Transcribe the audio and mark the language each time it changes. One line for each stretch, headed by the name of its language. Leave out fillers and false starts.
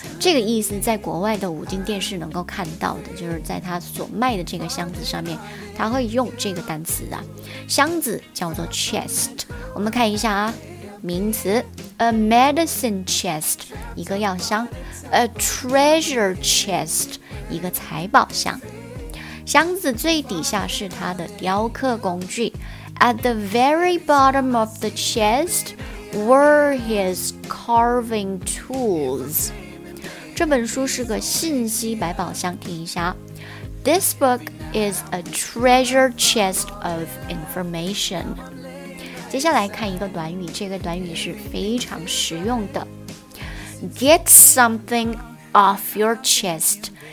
Chinese: 这个意思在国外的五金店是能够看到的，就是在它所卖的这个箱子上面它会用这个单词啊，箱子叫做 chest。我们看一下啊，名词 A medicine chest，一个药箱。 A treasure chest，一个财宝箱。箱子最底下是它的雕刻工具。
English: At the very bottom of the chest were his carving tools。
Chinese: 这本书是个信息百宝箱，听一下。
English: This book is a treasure chest of information。
Chinese: 接下来看一个短语，这个短语是非常实用的。
English: Get something off your chest。